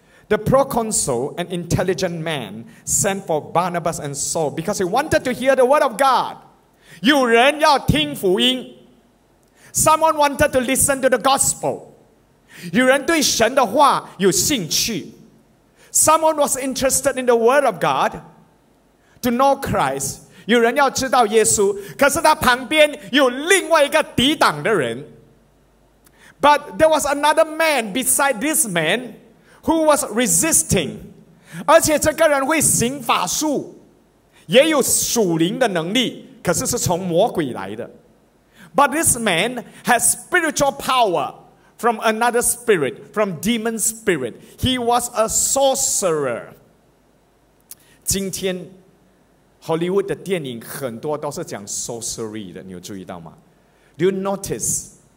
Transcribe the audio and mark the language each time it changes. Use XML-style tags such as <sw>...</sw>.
<en>The proconsul, an intelligent man, sent for Barnabas and Saul because he wanted to hear the word of God.</en> <zh>有人要听福音。</zh> <en>Someone wanted to listen to the gospel.</en> <zh>有人对神的话有兴趣。</zh> <en>Someone was interested in the word of God to know Christ.</en> <zh>有人要知道耶稣，可是他旁边有另外一个抵挡的人。</zh> <en>But there was another man beside this man who was resisting.</en> <zh>而且这个人会行法术，也有属灵的能力，可是是从魔鬼来的。</zh> <en>But this man has spiritual power from another spirit, from demon spirit. He was a sorcerer.</en> <zh>今天 Hollywood 的电影很多都是讲 sorcery 的，你有注意到吗？</zh> <en>Do you notice?</en>